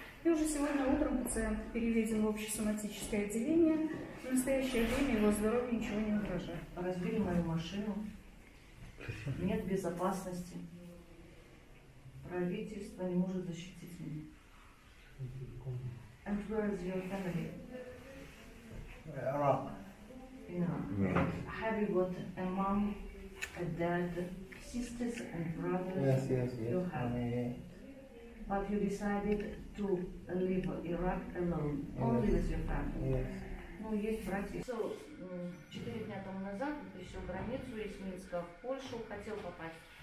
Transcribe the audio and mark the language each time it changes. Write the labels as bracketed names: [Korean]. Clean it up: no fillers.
[Russian] И уже сегодня утром пациент переведен в общесоматическое отделение. В настоящее время его здоровье ничего не угрожает. Разбили мою машину. Нет безопасности. Правительство не может защитить меня. [English] And where is your family? Iraq. Yeah. Have you got a mom, a dad, sisters and brothers? Yes, yes, yes. You have. But you decided to leave Iraq alone, only with your family. Yes. [Russian] Ну, есть братья. So, 4 дня тому назад пересек границу из Минска в Польшу, хотел попасть.